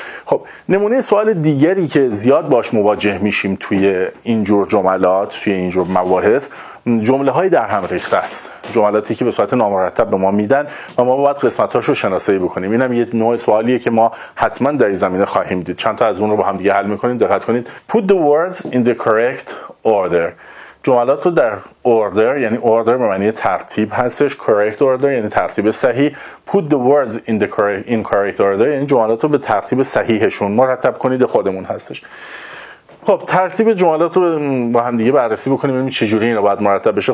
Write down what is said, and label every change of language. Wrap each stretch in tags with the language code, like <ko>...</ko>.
<fa>خب نمونه سوال دیگری که زیاد باش مواجه میشیم توی اینجور جملات، توی اینجور مباحث، جمله های در هم ریخته است، جملاتی که به صورت نامرتب به ما میدن و ما باید قسمتاش رو شناسایی بکنیم. اینم یه نوع سوالیه که ما حتما در این زمینه خواهیم دید، چند تا از اون رو با هم دیگه حل میکنیم. دقت کنید.</fa> <en>Put the words in the correct order.</en> <fa>جملات رو در order، یعنی order به معنی ترتیب هستش، correct order یعنی ترتیب صحیح.</fa> <en>Put the words in the correct order</en> <fa>یعنی جملات رو به ترتیب صحیحشون مرتب کنید خودمون هستش. خب ترتیب جملات رو با هم دیگه بررسی بکنیم ببینیم چه جوری اینا باید مرتب بشه.</fa>